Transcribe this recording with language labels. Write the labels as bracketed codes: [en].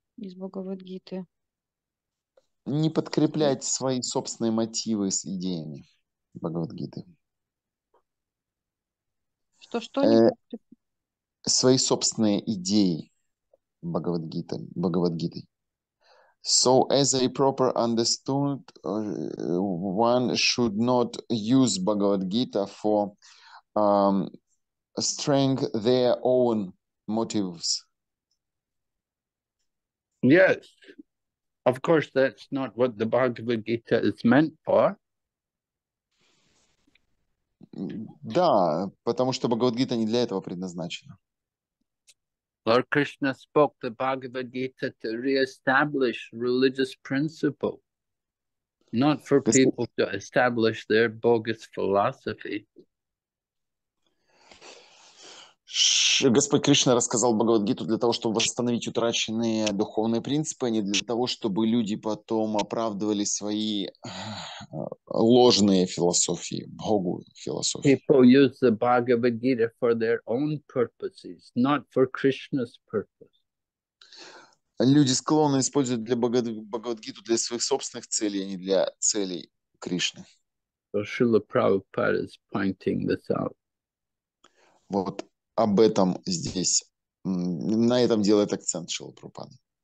[ru] Из Бхагавадгиты. Не подкреплять свои собственные мотивы с идеями Бхагавадгиты. Что? Свои собственные идеи Бхагавадгиты. [en] So, as I proper understood, one should not use Bhagavad Gita for strength their own motives. Yes, of course, that's not what the Bhagavad Gita is meant for. [ru] Да, потому что Бхагавад Гита не для этого предназначена. [en] Lord Krishna spoke the Bhagavad Gita to reestablish religious principle, not for people to establish their bogus philosophy. [ru] Господь Кришна рассказал Бхагавадгиту для того, чтобы восстановить утраченные духовные принципы, а не для того, чтобы люди потом оправдывали свои ложные философии, Богу философии. [en] People use the Bhagavad Gita for their own purposes, not for Krishna's purpose. [ru] Люди склонны использовать для Бхагавадгиту для своих собственных целей, а не для целей Кришны. [en] So Srila Prabhupada is pointing this out. [ru] Вот. Об этом здесь, на этом делает акцент Шрила Прабхупада.